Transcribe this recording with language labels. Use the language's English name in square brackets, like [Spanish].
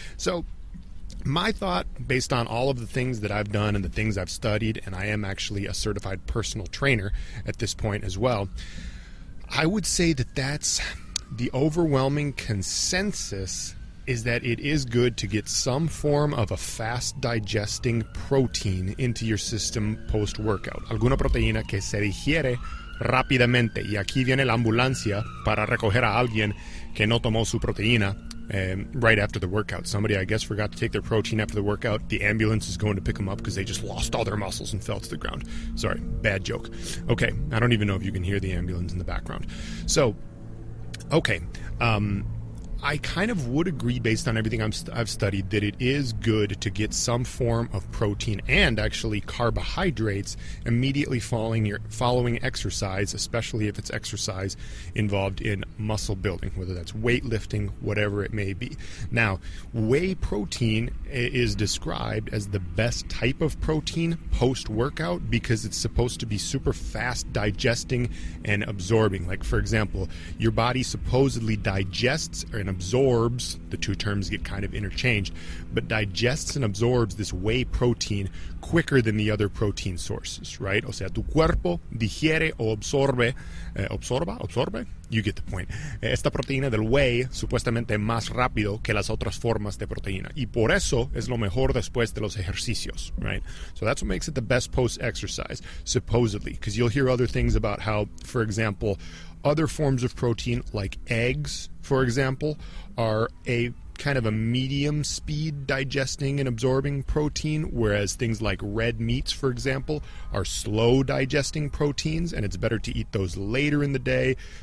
[English] So my thought, based on all of the things that I've done and the things I've studied, and I am actually a certified personal trainer at this point as well, I would say that that's the overwhelming consensus, is that it is good to get some form of a fast digesting protein into your system post workout. [Spanish] Alguna proteína que se digiere rápidamente. Y aquí viene la ambulancia para recoger a alguien que no tomó su proteína. [English] Right after the workout. Somebody, I guess, forgot to take their protein after the workout. The ambulance is going to pick them up because they just lost all their muscles and fell to the ground. Sorry, bad joke. Okay, I don't even know if you can hear the ambulance in the background. So, okay, I kind of would agree, based on everything I've studied, that it is good to get some form of protein and actually carbohydrates immediately following exercise, especially if it's exercise involved in muscle building, whether that's weightlifting, whatever it may be. Now, whey protein is described as the best type of protein post-workout because it's supposed to be super fast digesting and absorbing. Like, for example, your body supposedly digests or absorbs, the two terms get kind of interchanged, but digests and absorbs this whey protein quicker than the other protein sources, right? [Spanish] O sea, tu cuerpo digiere o absorbe, absorbe? [English] You get the point. [Spanish] Esta proteína del whey supuestamente más rápido que las otras formas de proteína. Y por eso es lo mejor después de los ejercicios, right? [English] So that's what makes it the best post-exercise, supposedly, because you'll hear other things about how, for example, other forms of protein, like eggs, for example, are a kind of a medium speed digesting and absorbing protein, whereas things like red meats, for example, are slow digesting proteins, and it's better to eat those later in the day.